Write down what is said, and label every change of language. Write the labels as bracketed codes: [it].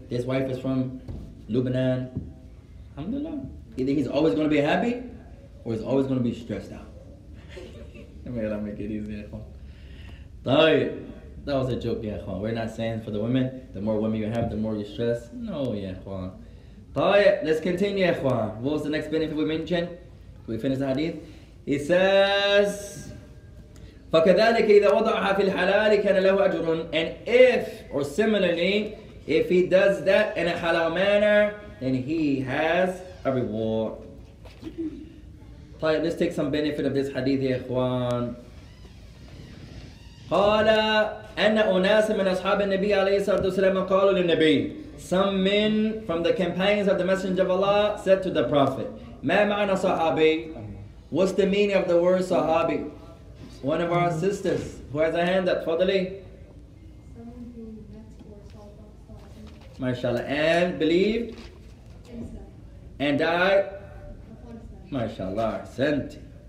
[en] This wife is from Lebanon. Alhamdulillah. Either he's always gonna be happy or he's always gonna be stressed out. May Allah make it easy, ya Khwan. That was a joke, ya Khwan. We're not saying for the women, the more women you have, the more you stress. No, ya Khwan. Let's continue, ya Khwan. What was the next benefit we mentioned? We finished the hadith. He says, [ar] فَكَذَلِكَ إِذَا وَضَعَهَا فِي الْحَلَالِ كَانَ لَهُ أَجْرٌ. [en] And if, or similarly, if he does that in a halal manner, then he has a reward. Let's take some benefit of this hadith, ya Khwan. [ar] قال أن أناس من أصحاب النبي عليه الصلاة والسلام قالوا للنبي. [en] Some men from the companions of the Messenger of Allah said to the Prophet, [ar] ما معنى صحابي? [en] What's the meaning of the word صحابي? One of our sisters who has a hand up, فضلي. MashaAllah. And believed. And died. MashaAllah. Sent.